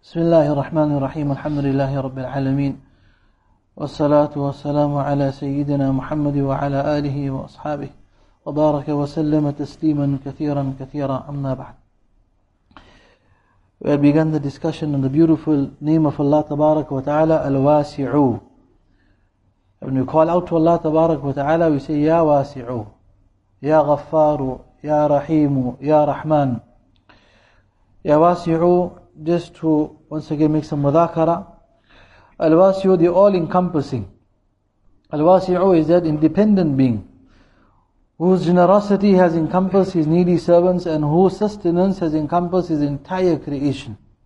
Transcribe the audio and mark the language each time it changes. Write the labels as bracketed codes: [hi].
[ar] بسم الله الرحمن الرحيم الحمد لله رب العالمين والصلاة والسلام على سيدنا محمد وعلى آله وأصحابه وبارك وسلم تسليما كثيرا كثيرا أما بعد. [en] We began the discussion on the beautiful name of Allah [ar] تبارك وتعالى الواسع. [en] When we call out to Allah [ar] تبارك وتعالى [en] we say [ar] يا واسع يا غفار يا رحيم يا رحمن يا واسع. [en] Just to once again make some mudhakara, Al-Wasi'u, the all-encompassing. Al-Wasi'u is that independent being whose generosity has encompassed his needy servants and whose sustenance has encompassed his entire creation.